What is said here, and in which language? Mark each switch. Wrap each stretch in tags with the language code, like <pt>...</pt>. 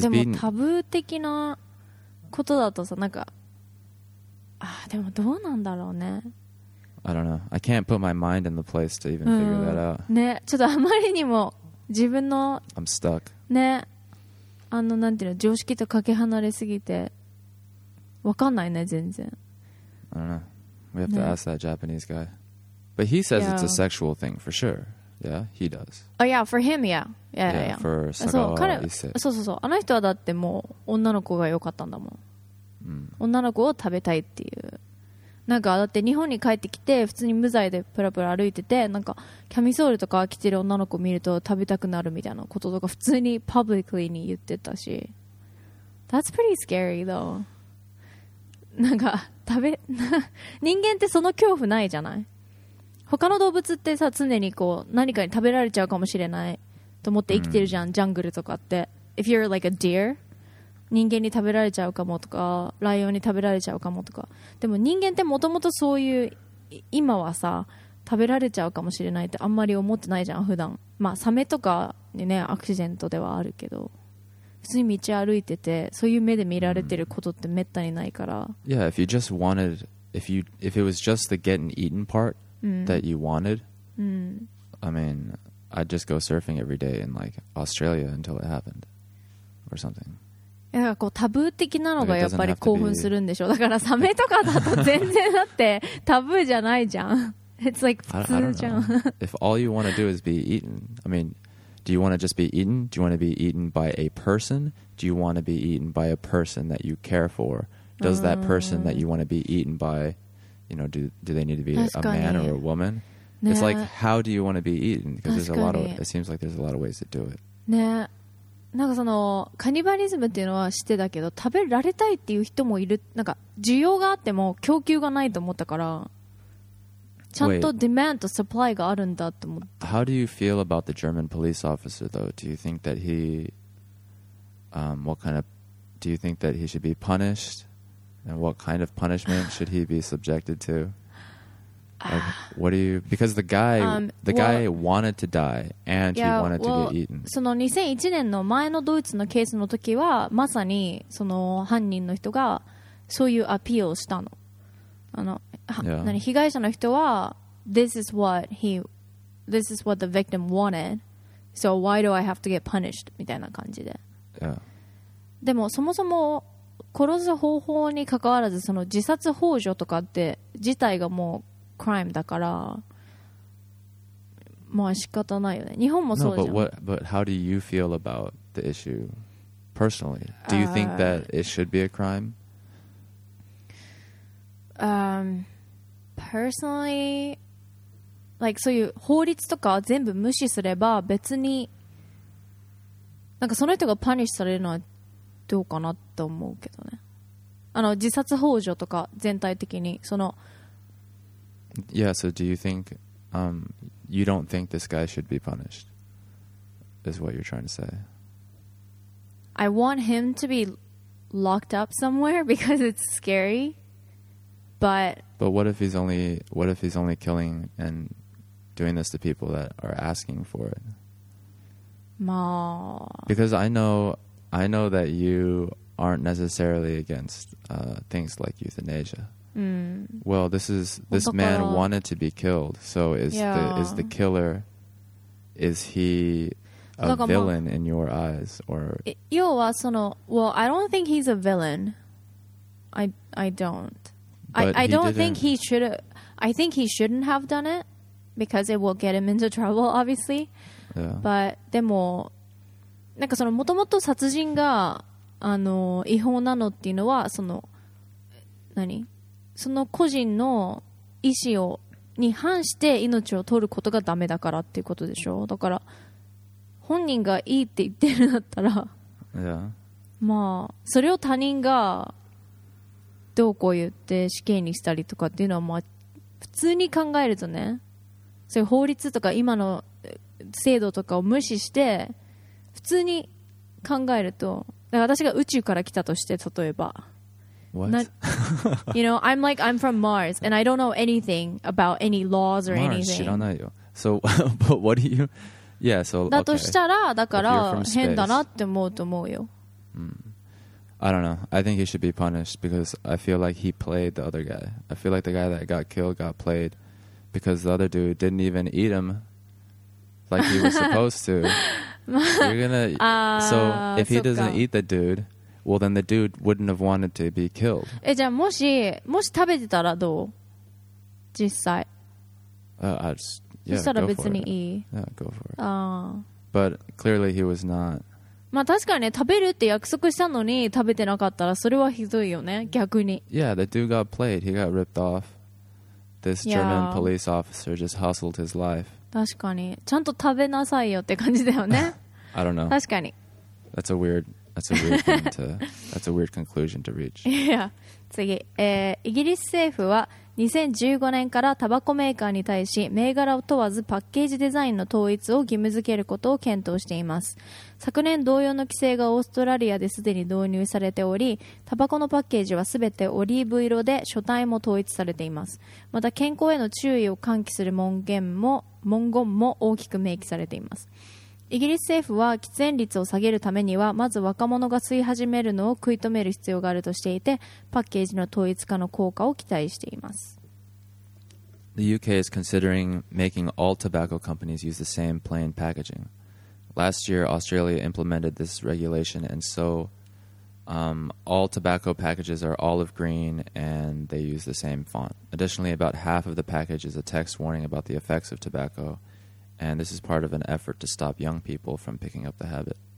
<ja>でもタブー的なことだとさ、なんか、あ、でもどうなんだろうね。</ja> <en>I don't know. I can't put my mind in the place to even figure that out.</en> <ja>ね、ちょっとあまりにも自分の</ja> <en>I'm stuck.</en> <ja>ね、あのなんていうの、常識とかけ離れすぎて、わかんないね、全然。</ja> <en>I don't know. We have to ask that Japanese guy. But he says it's a sexual thing for sure. Yeah, he does. Oh yeah, for him, yeah. Yeah, yeah, yeah. For Sagawa Issei.</en> <ja>そうそうそう。あの人はだってもう女の子が良かったんだもん。女の子を食べたいっていう。なんかだって日本に帰ってきて普通に無罪でプラプラ歩いててなんかキャミソールとか着てる女の子見ると食べたくなるみたいなこととか普通にパブリックリに言ってたし</ja> <en>That's pretty scary though</en> <ja>なんか食べ人間ってその恐怖ないじゃない他の動物ってさ常にこう何かに食べられちゃうかもしれないと思って生きてるじゃん、mm. ジャングルとかって</ja> <en>If you're like a deer</en> <ja>人間に食べられちゃうかもとかライオンに食べられちゃうかもとかでも人間ってもともとそういう今はさ食べられちゃうかもしれないってあんまり思ってないじゃん普段まあサメとかにねアクシデントではあるけど普通に道歩いててそういう目で見られてることってめったにないから</ja> <en>Yeah, if you just wanted if it was just the getting eaten part that you wanted I mean, I'd just go surfing every day in like Australia until it happened or something</en> <ja>いやこうタブー的なのがやっぱり興奮するんでしょだからサメとかだと全然だってタブーじゃないじゃん</ja> <en>It's like</en> <ja>普通じゃん</ja> <en>If all you want to do is be eaten I mean Do you want to just be eaten? Do you want to be eaten by a person? Do you want to be eaten by a person that you care for? Does that person that you want to be eaten by You know do they need to be a man or a woman? ね、It's like how do you want to be eaten? Because there's a lot of It seems like there's a lot of ways to do it</en> <ja>ねなんかそのカニバリズムっていうのは知ってたけど食べられたいっていう人もいるなんか需要があっても供給がないと思ったからちゃんとデマンドサプライがあるんだと思った</ja> <en>How do you feel about the German police officer though? Do you think that he what kind of Do you think that he should be punished? And what kind of punishment should he be subjected to? Like, what do you because the guy the guy wanted to die and he wanted to get eaten.</en> <ja>その2001年の前のドイツのケースの時はまさにその犯人の人がそういうアピールをしたの。あの、</ja> <en>yeah.</en> <ja>何被害者の人は</ja> <en>this is what the victim wanted. So why do I have to get punished</en> <ja>みたいな感じで。</ja> <en>Yeah.</en> <ja>でもそもそも殺す方法に関わらずその自殺ほう助とかって自体がもうCrime だから、まあ仕方ないよね。日本もそうじゃん。</ja> <en>No, but what? But how do you feel about the issue personally? Do you think that it should be a crime? Personally, like</en> <ja>そういう法律とか全部無視すれば別に、なんかその人が punish されるのはどうかなと思うけどね。あの自殺ほう助とか全体的にその。</ja> <en>Yeah, so do you think you don't think this guy should be punished? Is what you're trying to say. I want him to be locked up somewhere because it's scary. But what if he's only killing and doing this to people that are asking for it? Ma. Because I know that you aren't necessarily against things like euthanasia. Mm. Well, this man wanted to be killed. So is the killer? Is he a villain in your eyes or?</en> <ja>要はその</ja> <en>well, I don't think he's a villain. I don't. I think he shouldn't have done it because it will get him into trouble, obviously. Yeah.</en> <ja>But でもなんかその元々殺人があの違法なのっていうのはその何？その個人の意思をに反して命を取ることがダメだからっていうことでしょだから本人がいいって言ってるんだったら、</ja> <en>yeah.</en> <ja>まあそれを他人がどうこう言って死刑にしたりとかっていうのはまあ普通に考えるとねそういう法律とか今の制度とかを無視して普通に考えるとだから私が宇宙から来たとして例えば</ja> <en>What? you know, I'm like, I'm from Mars, and I don't know anything about any laws or anything.</en> <ja>知らないよ。</ja> <en>So, but what do you... Yeah, so, okay.</en> <ja>だとしたら、だから変だなって思うと思うよ。</ja> <en>I don't know. I think he should be punished because I feel like he played the other guy. I feel like the guy that got killed got played. because the other dude didn't even eat him like he was supposed to. You're gonna so if he doesn't eat the dude, well then the dude wouldn't have wanted to be killed.</en> <ja>じゃあもし、もし食べてたらどう？実際。</ja> <en>Yeah, go for it. Yeah, go for it. But clearly he was not.</en> <ja>まあ確かにね、食べるって約束したのに食べてなかったらそれはひどいよね、逆に。</ja> <en>Yeah, the dude got played. He got ripped off. This German police officer just hustled his life.</en> <ja>確かに。ちゃんと食べなさいよって感じだよね。</ja> <en>I don't know.</en> <ja>確かに。</ja> <en>That's a weird conclusion to reach. Yeah.</en> <ja>次、イギリス政府は2015年からタバコメーカーに対し銘柄を問わずパッケージデザインの統一を義務付けることを検討しています。昨年同様の規制がオーストラリアですでに導入されており、タバコのパッケージはすべてオリーブ色で書体も統一されています。また健康への注意を喚起する文言も大きく明記されています。イギリス政府は喫煙率を下げるためにはまず若者が吸い始めるのを食い止める必要があるとしていて、パッケージの統一化の効果を期待しています。</ja> <en>The UK is considering making all tobacco companies use the same plain packaging. Last year Australia implemented this regulation, and so all tobacco packages are olive green and they use the same font. Additionally, about half of the package is a text warning about the effects of tobaccoAnd this is part of an effort to stop young people from picking up the habit.</en>